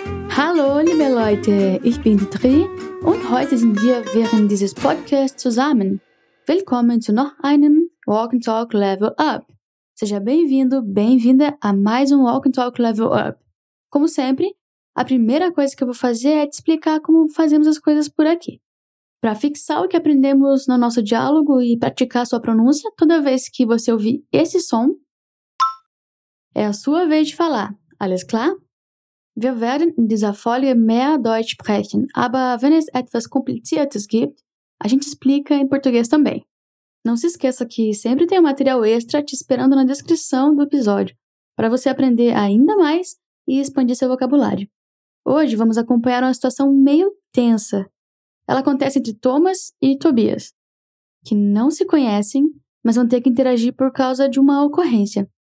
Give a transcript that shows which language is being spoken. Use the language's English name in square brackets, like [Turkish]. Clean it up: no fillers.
[German] Hallo liebe Leute, ich bin die Tri und heute sind wir während dieses Podcasts zusammen. Willkommen zu noch einem Walk and Talk Level Up. [Portuguese] Seja bem-vindo, bem-vinda a mais um Walk and Talk Level Up. Como sempre, a primeira coisa que eu vou fazer é te explicar como fazemos as coisas por aqui. Para fixar o que aprendemos no nosso diálogo e praticar sua pronúncia, toda vez que você ouvir esse som, é a sua vez de falar. [German] Alles klar? Wir werden in dieser Folge mehr Deutsch sprechen, aber wenn es etwas Kompliziertes gibt, [Portuguese] a gente explica em português também. Não se esqueça que sempre tem um material extra te esperando na descrição do episódio, para você aprender ainda mais e expandir seu vocabulário. Hoje vamos acompanhar uma situação meio tensa. Ela acontece entre Thomas e Tobias, que não se conhecem, mas vão ter que interagir por causa de uma ocorrência.